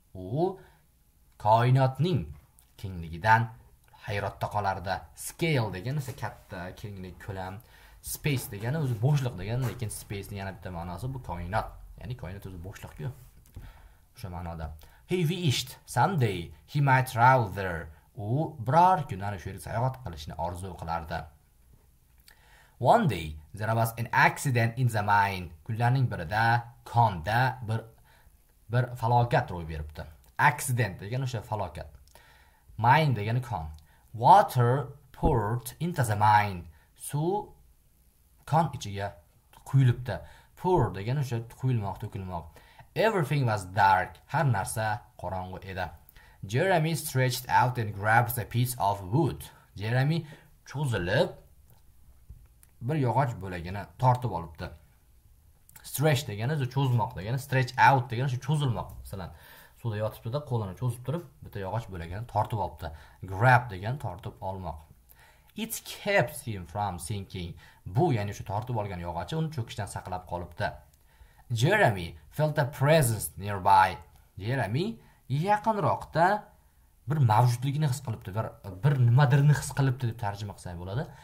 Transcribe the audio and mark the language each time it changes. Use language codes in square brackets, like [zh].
[uz] U koinotning kengligidan hayratda qolardi. Scale degani esa katta, kenglik, ko'lam. Space degani o'zi bo'shliq degani, lekin space ning yana bitta ma'nosi bu koinot. Ya'ni koinot o'zi bo'shliqku. O'sha ma'noda. [en] He wished someday he might travel there. [uz] U biror kun ana shu yerga sayohat qilishni orzu qilardi. [en] One day there was an accident in the mine. [uz] Kunlarning birida konda bir falokat ro'y beribdi. Accident degani o'sha falokat. Mine degani kon. [en] Water poured into the mine. [uz] Suv kon ichiga quyilibdi. Pour degani o'sha quyilmoq, to'kilmoq. [en] Everything was dark. [uz] Har narsa qorong'u edi. [en] Jeremy stretched out and grabbed a piece of wood. [uz] Jeremy cho'zilib bir yog'och bo'lagini tortib olibdi. Stretch degani o'sha cho'zmoq degani, stretch out degani o'sha cho'zilmoq, masalan. Suvda yotibdi-da qo'lini cho'zib turib, bitta yog'och bo'lagini tortib olibdi. Grab degan tortib olmoq. [en] It kept him from sinking. [uz] Bu ya'ni shu tortib olgan yog'ochi uni cho'kishdan saqlab qolibdi. [en] Jeremy felt a presence nearby. [uz] Jeremy yaqinroqda bir mavjudligini his qilibdi, bir nimadirni his qilibdi deb tarjima qilsak bo'ladi.